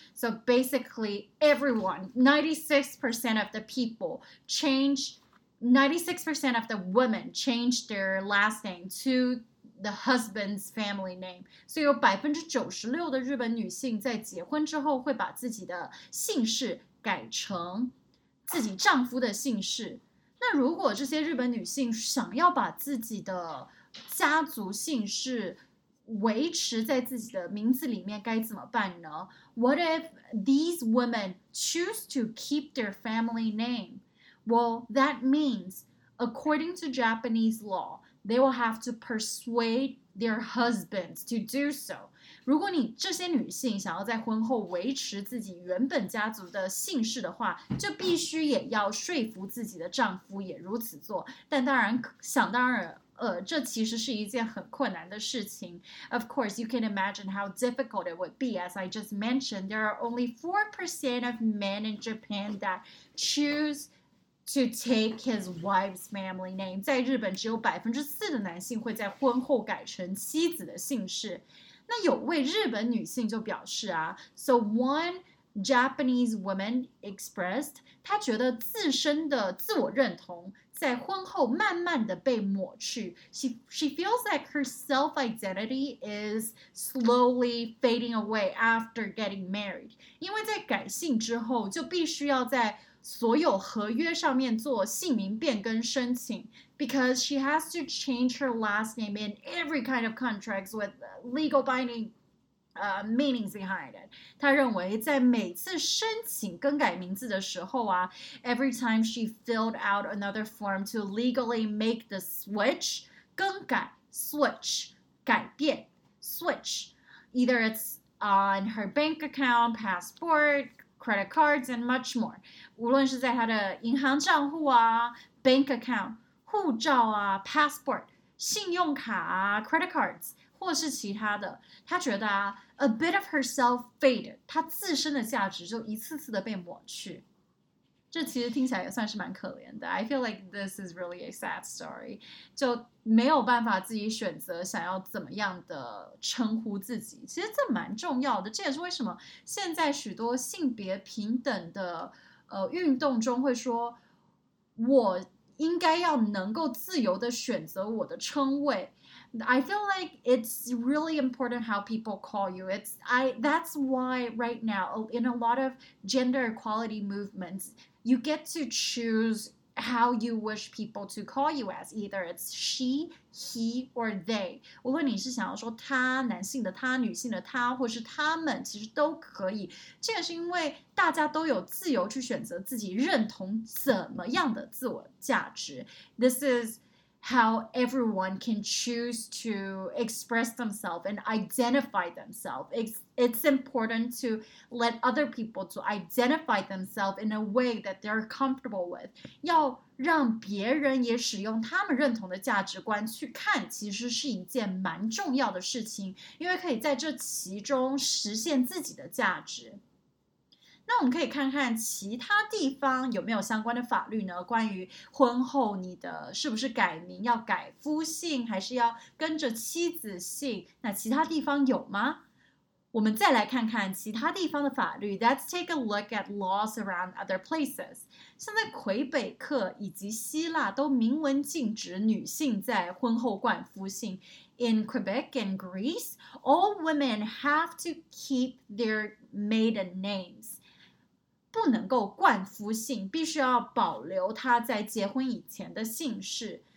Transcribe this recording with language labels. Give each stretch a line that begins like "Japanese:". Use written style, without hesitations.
English: So basically, everyone, 96% of the people change 96% of the women changed their last name to the husband's family name.
Chinese: 所以有96%的日本女性在结婚之后会把自己的姓氏改成自己丈夫的姓氏。如果这些日本女性想要把自己的家族姓氏维持在自己的名字里面该怎么办呢？
English: What if these women choose to keep their family name? Well, that means, according to Japanese law, they will have to persuade their husbands to do so.
Chinese: 如果你这些女性想要在婚后维持自己原本家族的姓氏的话，就必须也要说服自己的丈夫也如此做。但当然，想当然，这其实是一件很困难的事情。
English: Of course, you can imagine how difficult it would be. As I just mentioned, there are only 4% of men in Japan that choose to take his wife's family name.
Chinese: 在日本只有 4% 的男性会在婚后改成妻子的姓氏。那有位日本女性就表示啊，
English: So one Japanese woman expressed,
Chinese: 她觉得自身的自我认同在婚后慢慢的被抹去。
English: She feels like her self-identity is slowly fading away after getting married.
Chinese: 因为在改姓之后就必须要在所有合约上面做姓名变更申请。
English: Because she has to change her last name in every kind of contracts with legal binding meanings behind it.
Chinese: 她认为在每次申请更改名字的时候啊，
English: every time she filled out another form to legally make the switch,
Chinese: 更改
English: switch,
Chinese: 改变
English: switch. Either it's on her bank account, passport, credit cards, and much more.
Chinese: 无论是在她的银行账户啊，
English: bank account,
Chinese: 护照啊 ,
English: passport,
Chinese: 信用卡啊 ,
English: credit cards,
Chinese: 或是其他的。她觉得啊 ,
English: a bit of herself faded,
Chinese: 她自身的价值就一次次的被抹去。这其实听起来也算是蛮可怜的。
English: I feel like this is really a sad story.
Chinese: 就没有办法自己选择想要怎么样的称呼自己。其实这蛮重要的。这也是为什么现在许多性别平等的运动中会说我应该要能够自由地选择我的称谓。
English: I feel like it's really important how people call you. That's why right now, in a lot of gender equality movements, you get to choose how you wish people to call you as. Either it's she, he, or they.
Chinese: 无论你是想要说他，男性的他，女性的他，或是他们，其实都可以。这也是因为大家都有自由去选择自己认同怎么样的自我价值。
English: This is how everyone can choose to express themselves and identify themselves. It's important to let other people to identify themselves in a way that they're comfortable with.
Chinese: 要让别人也使用他们认同的价值观去看，其实是一件蛮重要的事情，因为可以在这其中实现自己的价值。那我们可以看看其他地方有没有相关的法律呢？关于婚后你的是不是改名，要改夫姓还是要跟着妻子姓，那其他地方有吗？我们再来看看其他地方的法律。
English: Let's take a look at laws around other places.
Chinese: 像在魁北克以及希腊都明文禁止女性在婚后冠夫姓。
English: In Quebec and Greece, all women have to keep their maiden names.
Chinese: 不能够冠夫姓，必须要保留他在结婚以前的姓氏。